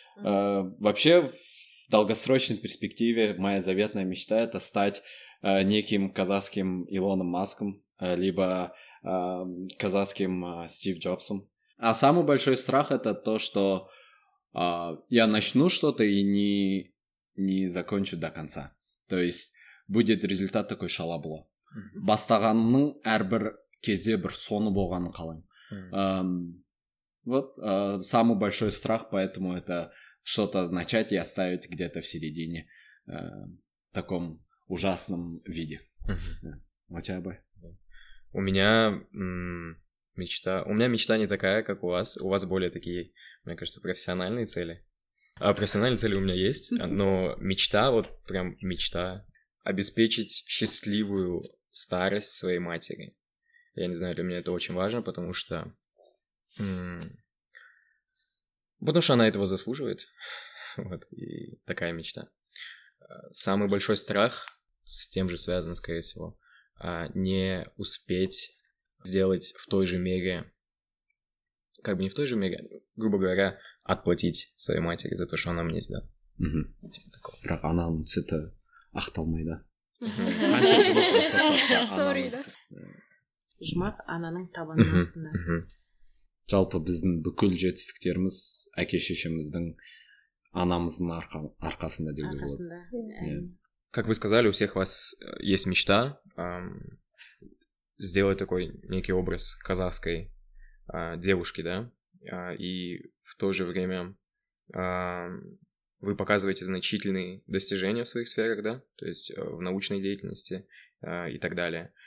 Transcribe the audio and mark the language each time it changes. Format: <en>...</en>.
<ru>Вообще, в долгосрочной перспективе моя заветная мечта — это стать неким казахским Илоном Маском, либо казахским Стив Джобсом. А самый большой страх — это то, что я начну что-то и не закончу до конца. То есть будет результат такой шалабло.</ru> <kk>Бастағанның әрбір кезе бір соны болғанын қалайым.</kk> <ru>Вот самый большой страх, поэтому это что-то начать и оставить где-то в середине в таком ужасном виде. У тебя бы? У меня мечта не такая, как у вас. У вас более такие, мне кажется, профессиональные цели. А профессиональные цели у меня есть, но мечта, вот прям мечта, обеспечить счастливую старость своей матери. Я не знаю, для меня это очень важно, потому что она этого заслуживает. Вот, и такая мечта. Самый большой страх с тем же связан, скорее всего, не успеть сделать в той же мере, как бы не в той же мере, грубо говоря, отплатить своей матери за то, что она мне сделала.</ru> <kk>Бірақ ананың сүті ақталмай, да? Сори, да? Жұмақ ананың табаны астында. Жалпы біздің бүкіл жетістіктеріміз әке-шешеміздің анамыздың арқасында деп ойлаймын. Арқасында.</kk> <ru>Как вы сказали, у всех вас есть мечта сделать такой некий образ казахской девушки, да? И в то же время вы показываете значительные достижения в своих сферах, да, то есть в научной деятельности и так далее.</ru>